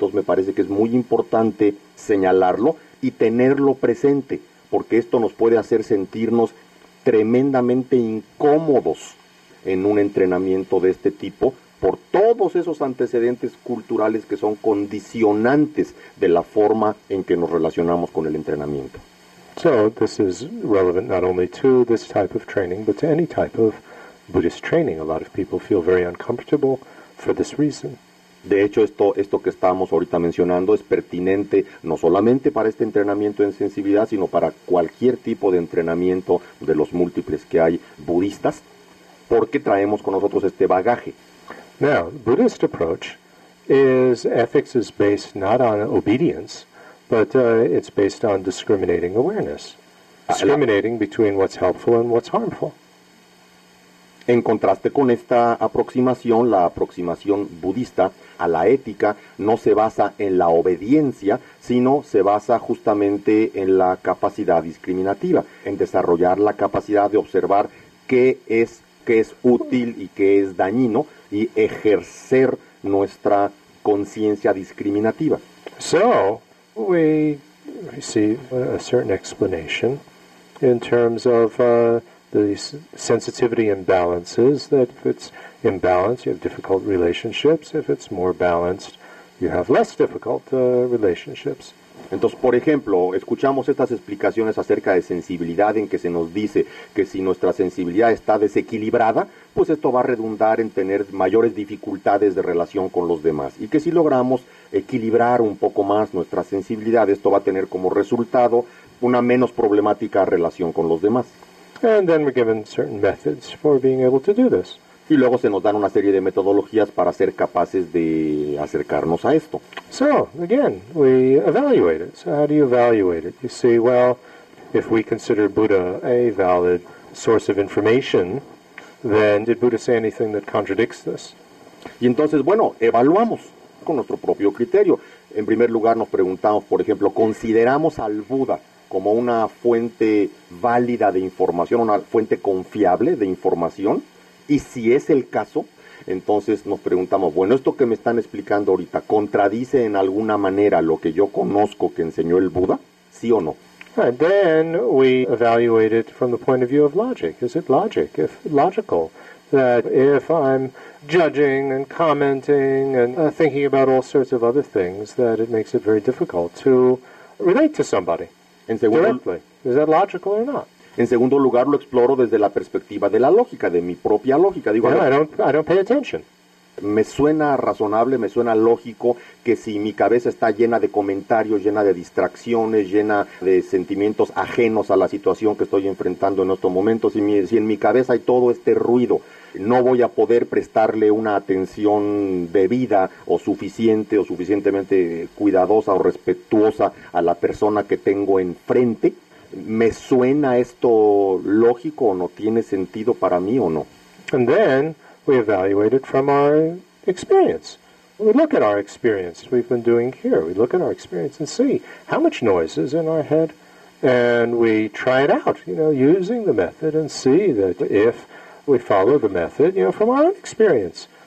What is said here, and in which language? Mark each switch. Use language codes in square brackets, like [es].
[es] Entonces me parece que es muy importante señalarlo y tenerlo presente, porque esto nos puede hacer sentirnos tremendamente incómodos en un entrenamiento de este tipo por todos esos antecedentes culturales que son condicionantes de la forma en que nos relacionamos con el entrenamiento. [en] So this is relevant not only to this type of training but to any type of Buddhist training. A lot of people feel very uncomfortable for this reason. [es] De hecho, esto que estamos ahorita mencionando es pertinente no solamente para este entrenamiento en sensibilidad, sino para cualquier tipo de entrenamiento de los múltiples que hay budistas, porque traemos con nosotros este bagaje. [en] Now, Buddhist approach is ethics is based not on obedience, but it's based on discriminating awareness. Discriminating between what's helpful and what's harmful. [es] En contraste con esta aproximación, la aproximación budista a la ética no se basa en la obediencia, sino se basa justamente en la capacidad discriminativa, en desarrollar la capacidad de observar qué es útil y qué es dañino y ejercer nuestra conciencia discriminativa. [en] So, we receive a certain explanation in terms of the sensitivity imbalances, that if it's imbalanced, you have difficult relationships. If it's more balanced, you have less difficult relationships. [es] Entonces, por ejemplo, escuchamos estas explicaciones acerca de sensibilidad en que se nos dice que si nuestra sensibilidad está desequilibrada, pues esto va a redundar en tener mayores dificultades de relación con los demás. Y que si logramos equilibrar un poco más nuestra sensibilidad, esto va a tener como resultado una menos problemática relación con los demás. [en] And then we're given certain methods for being able to do this. [es] Y luego se nos dan una serie de metodologías para ser capaces de acercarnos a esto. [en] So, again, we evaluate it. So how do you evaluate it? You see, well, if we consider Buddha a valid source of information, then did Buddha say anything that contradicts this? [es] Y entonces, bueno, evaluamos con nuestro propio criterio. En primer lugar, nos preguntamos, por ejemplo, ¿consideramos al Buda como una fuente válida de información, una fuente confiable de información? Y si es el caso, entonces nos preguntamos, bueno, ¿esto que me están explicando ahorita contradice en alguna manera lo que yo conozco que enseñó el Buda? ¿Sí o no? [en] And then we evaluate it from the point of view of logic. Is it logic? If logical, that if I'm judging and commenting and thinking about all sorts of other things, that it makes it very difficult to relate to somebody. Is that logical or not? [es] En segundo lugar, lo exploro desde la perspectiva de la lógica, de mi propia lógica. Digo, [en] no, I don't pay attention. [es] Me suena razonable, me suena lógico que si mi cabeza está llena de comentarios, llena de distracciones, llena de sentimientos ajenos a la situación que estoy enfrentando en estos momentos, si en mi cabeza hay todo este ruido, no voy a poder prestarle una atención debida o suficiente o suficientemente cuidadosa o respetuosa a la persona que tengo enfrente. ¿Me suena esto lógico o no tiene sentido para mí o no? [en] And then we evaluate it from our experience. We look at our experience we've been doing here. We look at our experience and see how much noise is in our head. And we try it out, you know, using the method and see that if we follow the method, you know, from our own experience.